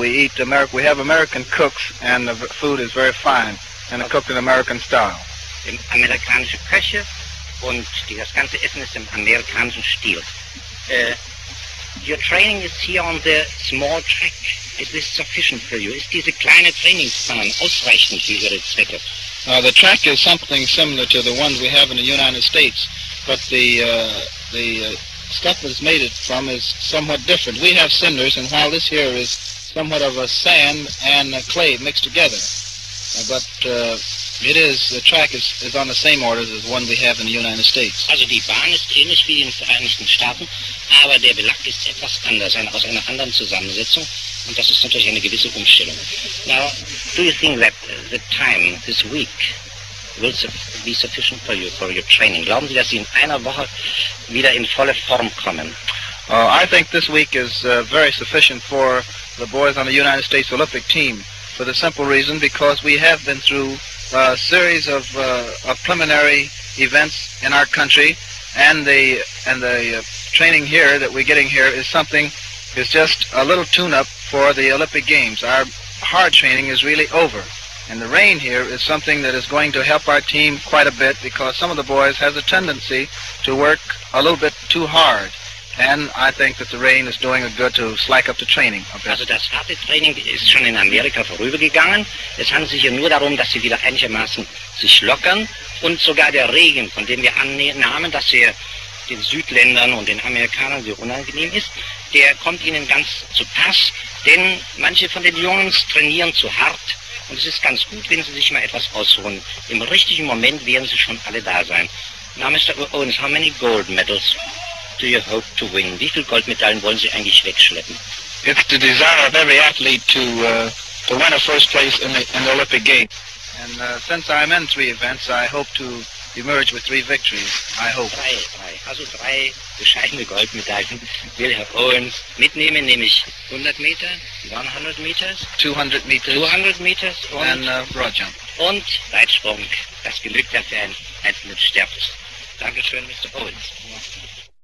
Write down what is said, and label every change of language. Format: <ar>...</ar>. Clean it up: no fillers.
<en>We have American cooks, and the food is very fine, and it's cooked in American style.</en> <de>Amerikanische Köche, und das ganze Essen ist im amerikanischen Stil.</de> <en>Your training is here on the small track. Is this sufficient for you?</en> <de>Is diese kleine Trainingsbahn ausreichend, diese Strecke?</de> <en>The track is something similar to the ones we have in the United States, but stuff that's made it from is somewhat different. We have cinders, and while this here is somewhat of a sand and a clay mixed together, the track is on the same orders as one we have in the United States.</en> <de>Also die Bahn ist ähnlich wie in den Vereinigten Staaten, aber der Belag ist etwas anders, aus einer anderen Zusammensetzung, und das ist natürlich eine gewisse Umstellung.</de> <en>Now, do you think that the time this week will be sufficient for you for your training?</en> <de>Glauben Sie, dass Sie in einer Woche wieder in volle Form kommen?</de> <en>I think this week is very sufficient for the boys on the United States Olympic team, for the simple reason because we have been through a series of preliminary events in our country, and the training here that we're getting here is just a little tune-up for the Olympic Games. Our hard training is really over. And the rain here is something that is going to help our team quite a bit because some of the boys has a tendency to work a little bit too hard. And I think that the rain is doing a good to slack up the training a bit.</en> <de>Also das harte Training ist schon in Amerika vorübergegangen. Es handelt sich hier nur darum, dass sie wieder einigermaßen sich lockern. Und sogar der Regen, von dem wir annahmen, dass er den Südländern und den Amerikanern sehr unangenehm ist, der kommt ihnen ganz zu Pass. Denn manche von den Jungs trainieren zu hart. Und es ist ganz gut, wenn Sie sich mal etwas ausruhen. Im richtigen Moment werden Sie schon alle da sein.</de> <en>Now, Mr. Owens, how many gold medals do you hope to win?</en> <de>Wie viele Goldmedaillen wollen Sie eigentlich wegschleppen?</de> <en>It's the desire of every athlete to win a first place in the Olympic Games. And since I'm in three events, I hope to emerge with three victories. I hope.</en> <de>Drei. Also drei bescheidene Goldmedaillen will Herr Owens mitnehmen, nämlich 100 Meter, 100 Meters,</de> <en>200 Meters, 200 Meters und Broadjump.</en> <de>Und Weitsprung. Das genügt ja für einen einzelnen Sterbes. Dankeschön, Mr. Owens. Ja.</de>